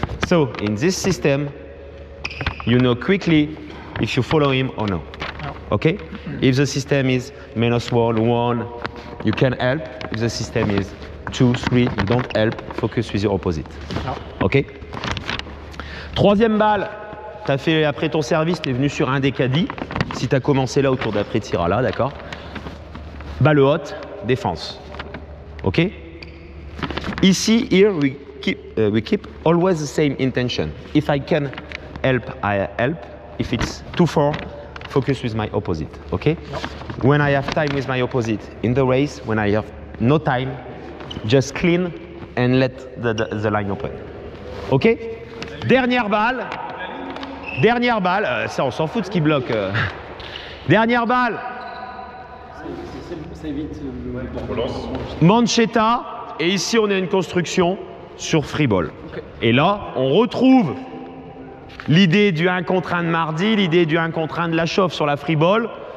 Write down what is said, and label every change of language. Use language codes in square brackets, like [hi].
[en] So, in this system, you know quickly if you follow him or no. Okay? If the system is -1, 1, you can help. If the system is 2, 3, you don't help, focus with your opposite. Okay? [fr] Troisième balle, t'as fait après ton service, t'es venu sur un des caddies. Si t'as commencé là autour d'après, t'iras là, d'accord? Balle haute. Défense, ok? [en] Ici, here we keep always the same intention. If I can help, I help. If it's too far, focus with my opposite, ok? No. When I have time with my opposite in the race, when I have no time, just clean and let the line open, ok? [fr] Dernière balle, ça on s'en fout de ce qui bloque. Dernière balle. Mancetta, et ici on a une construction sur freeball. Okay. Et là, on retrouve l'idée du 1 contre 1 de mardi, l'idée du 1 contre 1 de la chauffe sur la freeball.